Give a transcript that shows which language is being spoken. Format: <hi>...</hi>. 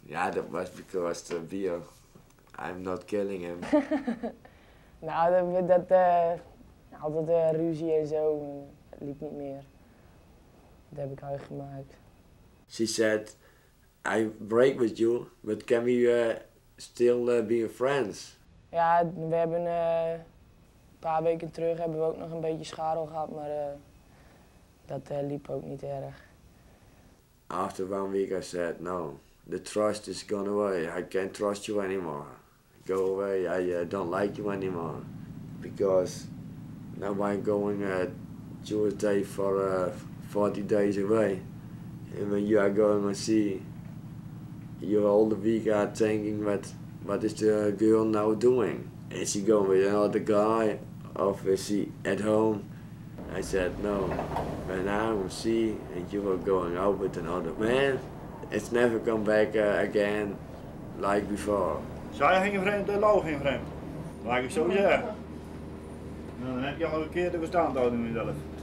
<en>Yeah, that was because the beer. I'm not killing him.</en> <nl>Nou, altijd ruzie en zo. Liep niet meer. Dat heb ik huig gemaakt.</nl> <en>She said, I break with you, but can we still be friends?</en> <nl>Ja, we hebben een paar weken terug hebben we ook nog een beetje scharrel gehad, maar dat liep ook niet erg.</nl> <en>After 1 week I said, no, the trust is gone away. I can't trust you anymore. Go away, I don't like you anymore. Because now I'm going Tuesday for 40 days away, and when you are going to sea, you all the week are thinking what is the girl now doing? Is she going with another guy, or is she at home? I said no. When I'm on sea and you are going out with another man, it's never come back again like before.</en> <nl>Zij ging vreemd, de lauw ging vreemd. Laat ik het zo zeggen. Dan heb je al een keer de verstandhouding in jezelf.</nl>